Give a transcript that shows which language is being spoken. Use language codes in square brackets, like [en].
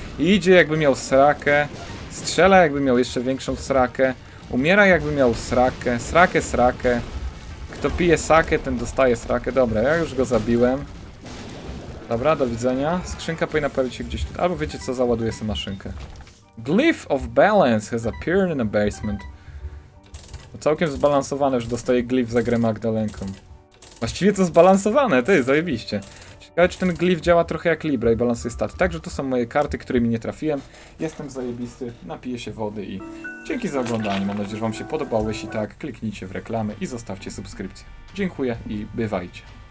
[pl] Idzie jakby miał srakę, strzela jakby miał jeszcze większą srakę, umiera jakby miał srakę, srakę, srakę. Kto pije sakę, ten dostaje srakę. Dobra, ja już go zabiłem. Dobra, do widzenia. Skrzynka powinna pojawić się gdzieś tu. Albo wiecie co, załaduję sobie maszynkę. [en] Glyph of Balance has appeared in a basement. [pl] No całkiem zbalansowane, że dostaje glyph za grę Magdalenką. Właściwie to zbalansowane, ty, zajebiście. Ciekawe, czy ten glyph działa trochę jak Libra i balansuje staty. Także to są moje karty, którymi nie trafiłem. Jestem zajebisty, napiję się wody i dzięki za oglądanie. Mam nadzieję, że wam się podobało. Jeśli tak, kliknijcie w reklamę i zostawcie subskrypcję. Dziękuję i bywajcie.